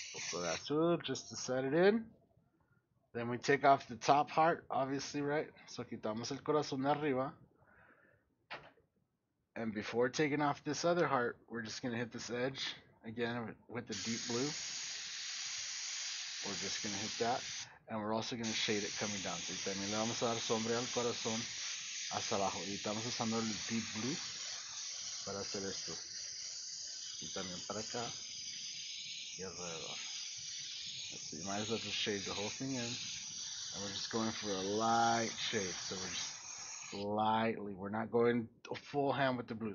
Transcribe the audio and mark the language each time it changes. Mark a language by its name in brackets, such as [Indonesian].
[English] So that's all, just to set it in. Then we take off the top heart, obviously, right? [Spanish] So quitamos el corazón de arriba. [English] And before taking off this other heart, we're just going to hit this edge again with the deep blue. We're just going to hit that. And we're also going to shade it coming down. [Spanish] So también le vamos a dar sombra al corazón hacia abajo. Y estamos usando el deep blue para hacer esto. Y también para acá. Y alrededor. [English] So you might as well just shade the whole thing in. And we're just going for a light shade. So we're just lightly. We're not going full hand with the blue.